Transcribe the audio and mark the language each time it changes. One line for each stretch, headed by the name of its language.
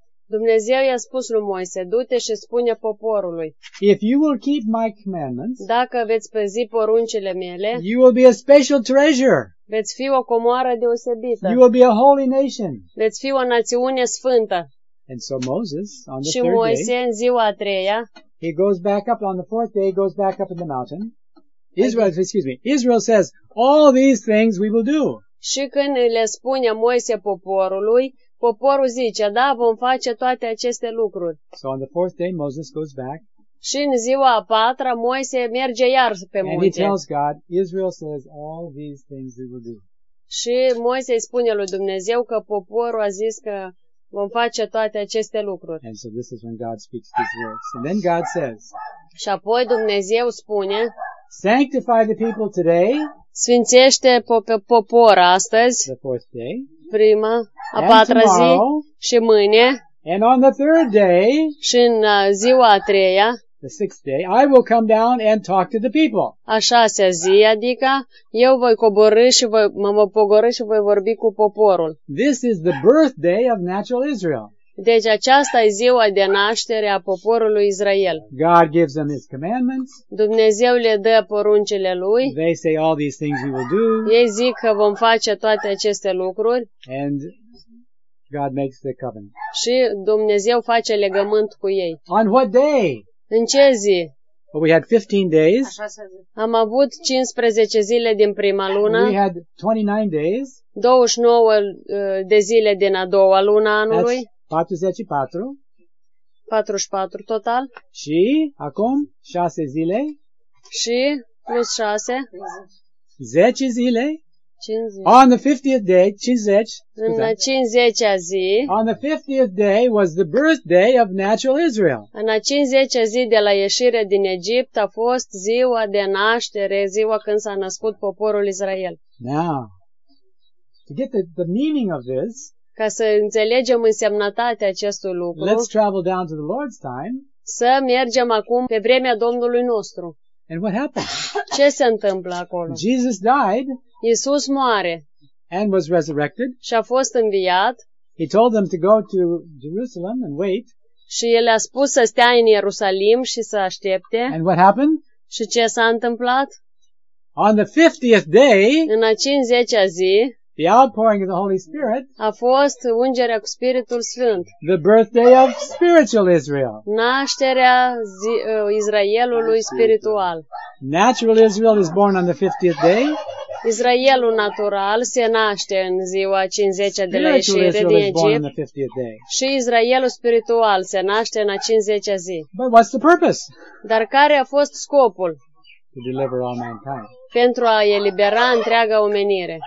Romanian: Dumnezeu i-a spus lui Moise, du-te și spune poporului.
English: If you will keep my commandments,
Romanian: dacă veți păzi poruncile mele,
English: you will be a special treasure.
Romanian: Veți fi o comoară deosebită.
English: You will be a holy nation.
Romanian: Veți fi o națiune sfântă.
English: And so Moses, on the
Romanian: și Moise,
English: third day,
Romanian: în ziua a treia,
English: he goes back up, on the fourth day, he goes back up in the mountain. Israel, excuse me, Israel says, all these things we will do.
Romanian: Și când le spune Moise poporului, poporul zice, da, vom face toate aceste lucruri.
English: So on the fourth day, Moses goes back.
Romanian: Și în ziua a patra, Moise merge iar pe munte.
English: And he tells God, Israel says, all these things we will do.
Romanian: Și Moise îi spune lui Dumnezeu că poporul a zis că vom face toate aceste lucruri.
English: And so this is when God speaks these words. And then God says,
Romanian: și apoi Dumnezeu spune,
English: sanctify the people today.
Romanian: Sfințește popor astăzi.
English: The fourth day.
Romanian: Prima, a patra zi și mâine.
English: And on the third day.
Romanian: Și în ziua a treia.
English: The sixth day, I will come down and talk to the people.
Romanian: A șasea zi, adică eu voi coborî și voi mă pogorî și voi vorbi cu poporul.
English: This is the birthday of natural Israel.
Romanian: Deci aceasta e ziua de naștere a poporului Israel.
English: God gives them his commandments.
Romanian: Dumnezeu le dă poruncile lui.
English: They say all these things we will do.
Romanian: Ei zic că vom face toate aceste lucruri.
English: And God makes the covenant.
Romanian: Și Dumnezeu face legământ cu ei.
English: On what day?
Romanian: În ce zi?
English: Well, we had 15 days.
Romanian: Am avut 15 zile din prima lună.
English: We had 29 days.
Romanian: 29 de zile din a doua lună anului.
English: That's 44.
Romanian: 44 total. Și acum 6 zile. Și plus 6. 10 zile. 50.
English: On the 50th day, 50.
Romanian: În 50-a zi.
English: On the 50th day was the birthday of natural Israel.
Romanian: În 50-a zi de la ieșirea din Egipt a fost ziua de naștere, ziua când s-a născut poporul Israel.
English: Now, to get the meaning of this,
Romanian: ca să înțelegem însemnătatea acestui lucru,
English: let's travel down to the Lord's time,
Romanian: să mergem acum pe vremea Domnului nostru.
English: And what happened?
Romanian: Ce se întâmplă acolo?
English: Jesus died,
Romanian: Iisus moare,
English: and was resurrected.
Romanian: Și a fost înviat.
English: He told them to go to Jerusalem and wait.
Romanian: Și el a spus să stea în Ierusalim și să aștepte.
English: And what happened?
Romanian: Și ce s-a întâmplat?
English: On the 50th day,
Romanian: în a 50-a zi,
English: the outpouring of the Holy Spirit,
Romanian: a fost ungerea cu Spiritul Sfânt,
English: the birthday of spiritual Israel,
Romanian: nașterea Israelului spiritual.
English: Natural Israel is born on the 50th day.
Romanian: Israelul natural se naște în ziua 50-a de la ieșire din Egipt. Și Israelul spiritual se naște în a 50-a zi.
English: But what's the purpose?
Romanian: Dar care a fost scopul?
English: To deliver all mankind.
Romanian: Pentru a elibera întreaga omenire.